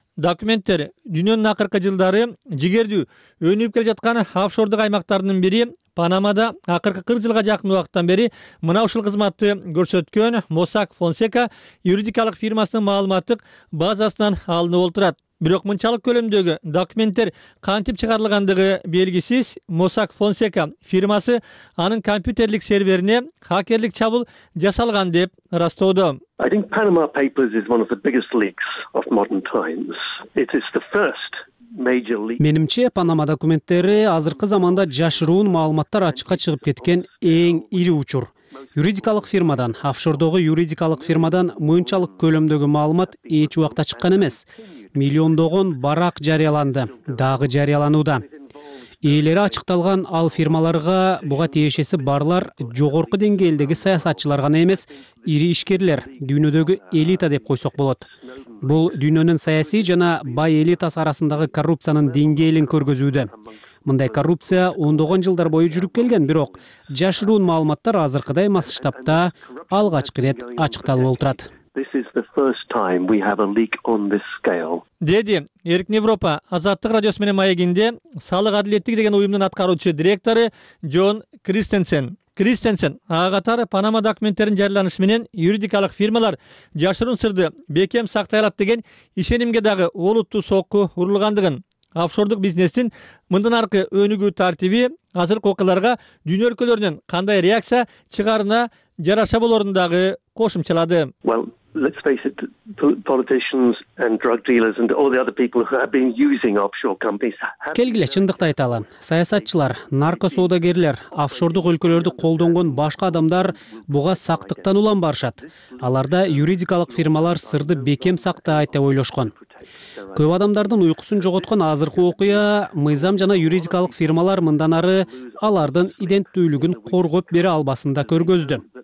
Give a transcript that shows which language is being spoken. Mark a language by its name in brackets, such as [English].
[Kyrgyz] Документтер дүйнөнүн акыркы жылдары жигердүү өнүп келе жаткан офшордук аймактарынын бири Панамада акыркы 40 жылга жакын убакыттан бери мына ушул кызматты көрсөткөн Mossack Fonseca юридикалык фирмасынын маалыматтык базасынан алынып отурат. Бирок мынчалык көлөмдөгү документтер кантип чыгарылгандыгы белгисиз. Mossack Fonseca фирмасы анын компьютерлик серверине хакерлик чабуул жасалган деп ырастоодо. [English] I think Panama Papers is one of the biggest leaks of modern times. It is the first major leak. [Kyrgyz] Менимче Панама документтери азыркы заманда жашыруун маалыматтар ачыкка чыгып кеткен эң ири учур. Юридикалык фирмадан, офшордогу юридикалык фирмадан мынчалык көлөмдөгү маалымат эч убакта чыккан эмес. Миллиондогон барак жарыяланды, дагы жарыялануда. Ээлери ачыкталган ал фирмаларга буга тиешеси барлар жогорку деңгээлдеги саясатчылар гана эмес, ири ишкерлер, дүйнөдөгү элита деп койсок болот. Бул дүйнөнүн саясий жана бай элитасы арасындагы коррупциянын деңгээлин көргөзүүдө. Мындай коррупция ондогон жылдар бою жүрүп келген, бирок жашыруун маалыматтар азыркыдай масштабта алгачкы ирет ачыкталып отурат. [English] This is the first time we have a leak on this scale. [Kyrgyz] Деди Эркин Европа Азаттык радиосу менен маегинде салык адилеттиги деген уюмдун аткаруучу директору Джон Кристенсен. Кристенсен ага катар Панама документтеринин жарыяланышы менен юридикалык фирмалар жашыруун сырды бекем сактай алат деген ишенимге дагы олуттуу сокку урулгандыгын, офшордук бизнестин мындан аркы өнүгүү тартиби азыркы окуяларга дүйнө өлкөлөрүнөн кандай реакция чыгарына жараша болорун дагы кошумчалады. [English] Well, let's face it, politicians and drug dealers and all the other people who have been using offshore companies. [Kyrgyz] Келгиле чындыкты айталы. Саясатчылар, наркосоодагерлер, офшордук өлкөлөрдү колдонгон башка адамдар буга сактыктан улам барышат. Аларда юридикалык фирмалар сырды бекем сактайт деп ойлошкон. Көп адамдардын уйкусун жоготкон азыркы окуя мыйзам жана юридикалык фирмалар мындан ары алардын иденттүүлүгүн коргоп бере албасында көргөздү.